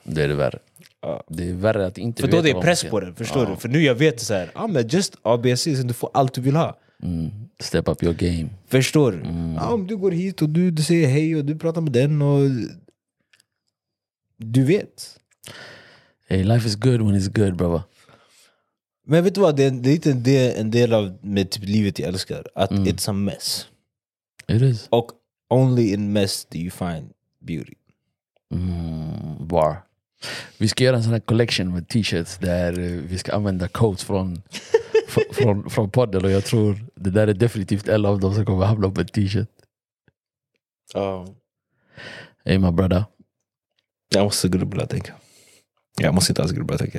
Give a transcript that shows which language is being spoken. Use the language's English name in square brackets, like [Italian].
[Swedish] Det är det värre. Det är värre att inte för veta. För då det är press på det, förstår du? För nu jag vet så här, men just ABC, så du får allt du vill ha. [English] Mm. Step up your game. [Swedish] Förstår du? Om du går hit och du säger hej och du pratar med den och du vet. [English] Hey, life is good when it's good, brother. [Swedish] Men vet du vad, det är en del av med typ livet jag älskar. Att [English] it's a mess. It is. [Swedish] Och [English] only in mess do you find beauty. [Swedish] Var. Vi ska göra en sån här collection med t-shirts där vi ska använda quotes från från podden, och jag tror det där är definitivt en av dem som kommer hamna på en t-shirt. [English] Hey my brother. [Swedish] Jag måste grubbla, tänka. Jag måste inte ens grubbla, tänka.